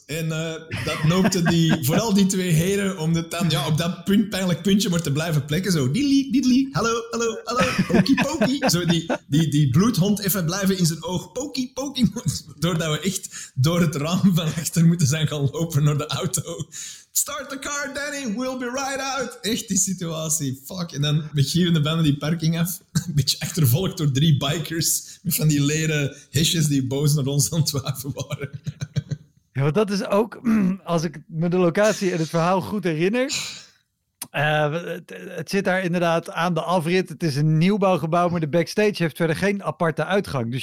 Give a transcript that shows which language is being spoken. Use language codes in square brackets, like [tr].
[nl] En dat noopte die, vooral die twee heren om het dan op dat punt, pijnlijk puntje maar te blijven plekken. Zo, diddly, diddly, hallo, pokie, pokie. Zo die bloedhond even blijven in zijn oog, pokie, pokie. Doordat we echt door het raam van achter moeten zijn gaan lopen naar de auto. [en] Start the car, Danny, we'll be right out. [nl] Echt die situatie, fuck. En dan met gierende banden die parking af. Een beetje achtervolgd door drie bikers. Met van die leren hesjes die boos naar ons aan het wapen waren. Ja, want dat is ook, als ik me de locatie en het verhaal goed herinner. Het zit daar inderdaad aan de afrit. Het is een nieuwbouwgebouw, maar de backstage heeft verder geen aparte uitgang.